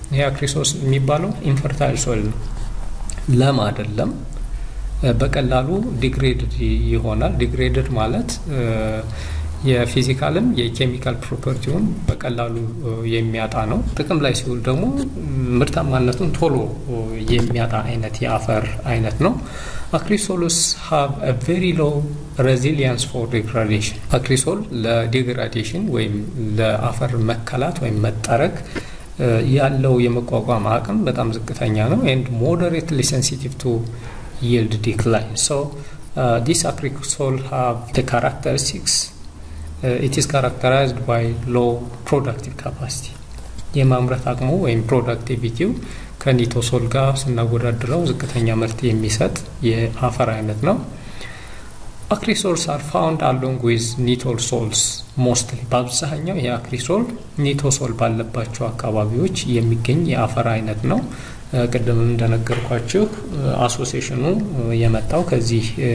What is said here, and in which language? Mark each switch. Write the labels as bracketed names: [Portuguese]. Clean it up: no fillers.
[Amharic] የአክሪሶል የሚባለው infertile soil ለም አይደለም በቀላሉ ዲግሬድድ ይሆናል። ዲግሬድድ ማለት የፊዚካልም የኬሚካል ፕሮፐርቲውን በቀላሉ የሚያጣ ነው። ጥቅም ላይ ሲውል ደግሞ ምርታማነቱን ቶሎ የሚያጣ አይነት የአፈር አይነት ነው። [English] Acrisolus have a very low resilience for degradation. [Amharic] Acrisol ለዲግራዴሽን ወይም ለአፈር መከላት ወይም መጠረግ ያለው የመቋቋም አቅም በጣም ዝቅተኛ ነው። [English] And moderately sensitive to yield decline. So this acrisol have the characteristics it is characterized by low productive capacity. [Amharic] የማምረት አቅሙ ወይም [English] productivity-ው ከ [Amharic] ከኒቶ ሶልጋ ስናወዳድረው ዝቅተኛ ምርት የሚሰጥ የአፈር አይነት ነው። [English] አክሪሶልስ አር ፋውንድ አሎንግ ዊዝ ኒቶል ሶልስ ሞስትሊ [Amharic] በአብዛኛው የአክሪሶል ኒቶ ሶል ባለባቸው አካባቢዎች የሚገኝ የአፈር አይነት ነው። ቀደም እንደነገርኳችሁ አሶሲሽኑ የመጣው ከዚህ